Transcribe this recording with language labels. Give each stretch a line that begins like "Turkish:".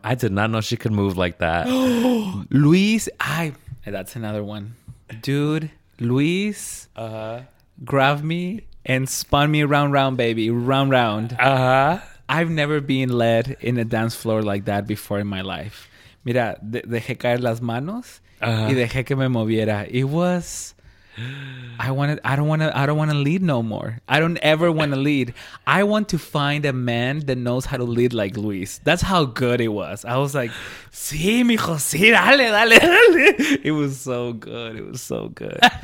English: I did not know she could move like that. Luis, that's another one. Dude, Luis grabbed me and spun me round, baby. Round. I've never been led in a dance floor like that before in my life.
Spanish: Mira, dejé caer las manos y dejé que me moviera.
English: It was... I don't want to lead no more. I don't ever want to lead. I want to find a man that knows how to lead like Luis. That's how good it was. I was like,
Spanish: sí, mijo, sí, dale.
English: It was so good. It was so good.